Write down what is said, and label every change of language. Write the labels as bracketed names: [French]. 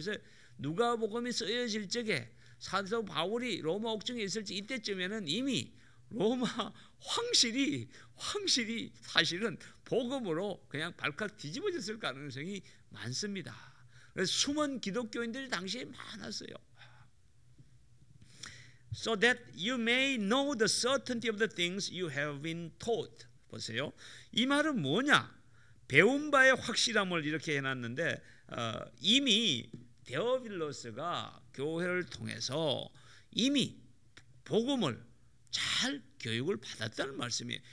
[Korean] 그래서 누가복음이 쓰여질 적에 사도 바울이 로마 옥중에 있을 때 이때쯤에는 이미 로마 황실이 사실은 복음으로 그냥 발칵 뒤집어졌을 가능성이 많습니다. 그래서 숨은 기독교인들이 당시에 많았어요. [English] So that you may know the certainty of the things you have been taught. [Korean] 보세요. 이 말은 뭐냐? 배운 바의 확실함을 이렇게 해놨는데 이미 데오빌로스가 교회를 통해서 이미 복음을 잘 교육을 받았다는 말씀이에요.